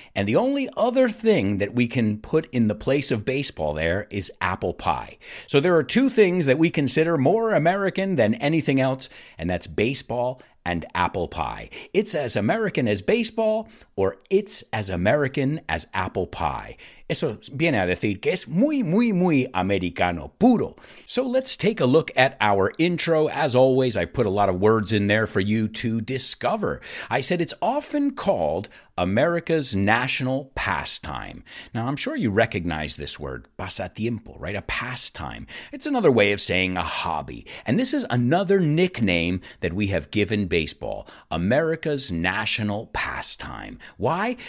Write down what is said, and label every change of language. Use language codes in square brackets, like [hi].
[en] And the only other thing that we can put in the place of baseball there is apple pie. So there are two things that we consider more American than anything else, and that's baseball and apple pie. It's as American as baseball, or it's as American as apple pie. [es] Eso viene a decir que es muy, muy, muy americano, puro. [en] So let's take a look at our intro. As always, I put a lot of words in there for you to discover. I said it's often called America's national pastime. Now, I'm sure you recognize this word, pasatiempo, right? A pastime. It's another way of saying a hobby. And this is another nickname that we have given baseball, America's national pastime. Why?